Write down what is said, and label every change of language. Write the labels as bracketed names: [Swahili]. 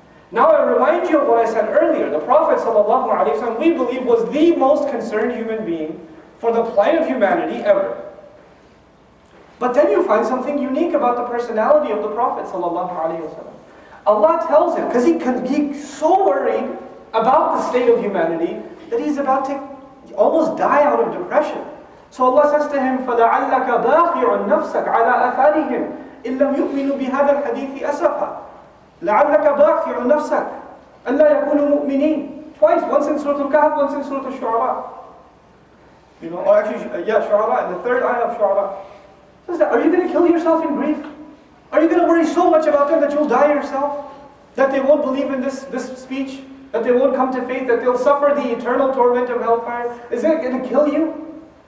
[English] Now I remind you of what I said earlier. The Prophet ﷺ, we believe, was the most concerned human being for the plight of humanity ever. But then you find something unique about the personality of the Prophet ﷺ. Allah tells him, because he can be so worried about the state of humanity that he's about to almost die out of depression. So Allah says to him, [Arabic] فَلَعَلَّكَ بَاخِعٌ نَفْسَكَ عَلَىٰ أَثَارِهِمْ إِلَّمْ يُؤْمِنُوا بِهَذَا الْحَدِيثِ أَسَفًا لَعَلَّكَ بَاخِعٌ نَفْسَكَ أَلَّا يَكُونُوا مُؤْمِنِينَ. [English] Twice, once in Surah Al-Kahf, once in Surah Al-Shu'ara. You know, Shu'ara, and the third ayah of Shu'ara. Says that, are you going to kill yourself in grief? Are you going to worry so much about them that you'll die yourself? That they won't believe in this speech? That they won't come to faith? That they'll suffer the eternal torment of hellfire? Is it going to kill you?